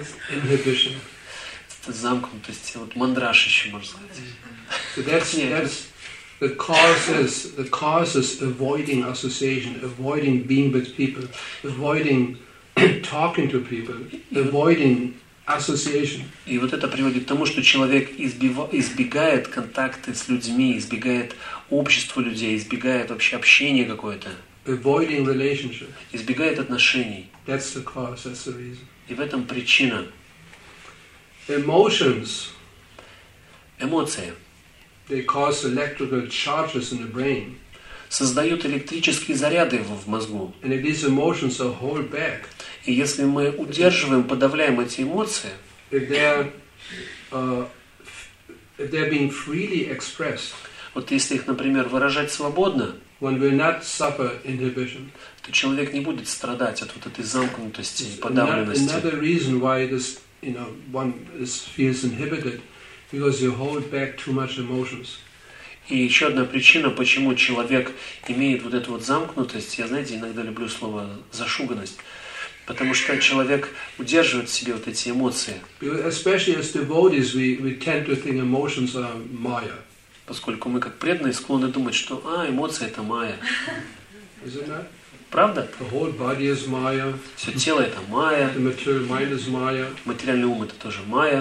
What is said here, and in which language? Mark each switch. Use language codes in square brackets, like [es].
[en] Inhibition. [ru] Замкнутость, вот мандраж еще можно сказать. [en] That's the causes avoiding association, avoiding being with people, avoiding talking to people, avoiding association. [ru] И вот это приводит к тому, что человек избегает контакты с людьми, избегает общества людей, избегает вообще общения какое-то. [en] Avoiding relationship. [ru] Избегает отношений. [en] That's the cause, that's the reason. [ru] И в этом причина. [en] Emotions. [ru] Эмоции. [en] They cause electrical charges in the brain. [ru] Создают электрические заряды в мозгу. [en] And if these emotions are held back. [ru] И если мы удерживаем, подавляем эти эмоции, [en] if they're being freely expressed, [ru] вот если их, например, выражать свободно, [en] one will not suffer inhibition. [ru] То человек не будет страдать от вот этой замкнутости и подавленности. [en] Another reason why this, you know, one is, feels inhibited, because you hold back too much emotions. [ru] И еще одна причина, почему человек имеет вот эту вот замкнутость, я, знаете, иногда люблю слово зашуганность. Потому что человек удерживает в себе вот эти эмоции. [en] Especially as devotees, we tend to think emotions are maya. [ru] Поскольку мы как преданные склонны думать, что эмоции это майя. [en] Is it not? [ru] Правда? [en] The whole body is maya. [ru] Все тело это майя. [en] The material mind is maya. [ru] Материальный ум это тоже майя.